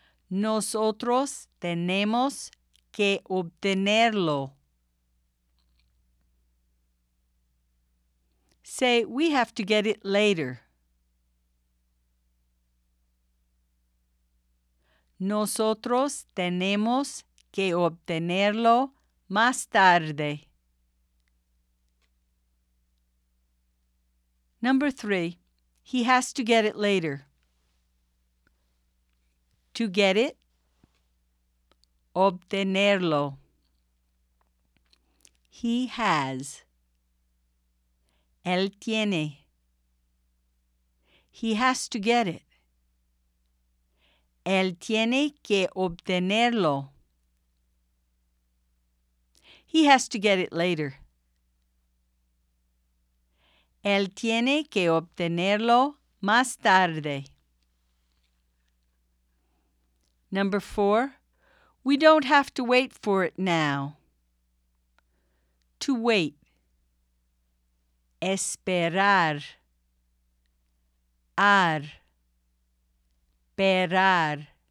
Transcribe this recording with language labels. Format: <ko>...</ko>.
<es>Nosotros tenemos que obtenerlo.</es> <en>Say, we have to get it later.</en> <es>Nosotros tenemos que obtenerlo más tarde.</es> <en>Number 3. He has to get it later. To get it.</en> <es>Obtenerlo.</es> <en>He has.</en> <es>Él tiene.</es> <en>He has to get it.</en> <es>Él tiene que obtenerlo.</es> <en>He has to get it later.</en> <es>Él tiene que obtenerlo más tarde.</es> <en>Number 4. We don't have to wait for it now. To wait.</en> <es>Esperar. Ar. Esperar.</es>